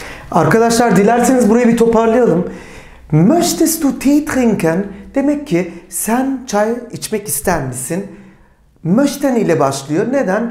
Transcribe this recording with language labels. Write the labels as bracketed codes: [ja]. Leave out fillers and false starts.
[tr] Arkadaşlar dilerseniz burayı bir toparlayalım. [de] Möchtest du Tee trinken? [tr] Demek ki sen çay içmek ister misin? Möchten ile başlıyor. Neden?